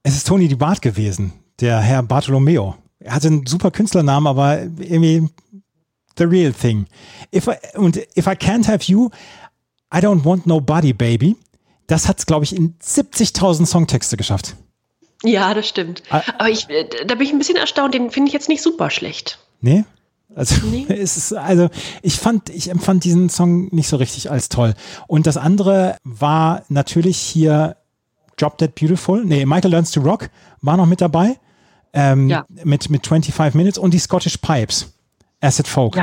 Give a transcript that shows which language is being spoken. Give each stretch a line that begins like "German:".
German: Es ist Tony DiBart gewesen, der Herr Bartolomeo. Er hatte einen super Künstlernamen, aber irgendwie the real thing.
English: If I can't have you, I don't want nobody, baby.
German: Das hat es, glaube ich, in 70.000 Songtexte geschafft. Ja, das stimmt. Aber da bin ich ein bisschen erstaunt. Den finde ich jetzt nicht super schlecht. Nee? Also, nee. Ich empfand diesen Song nicht so richtig als toll. Und das andere war natürlich hier Drop Dead Beautiful, nee, Michael Learns to Rock war noch mit dabei, mit 25 Minutes und die Scottish Pipes, Acid Folk.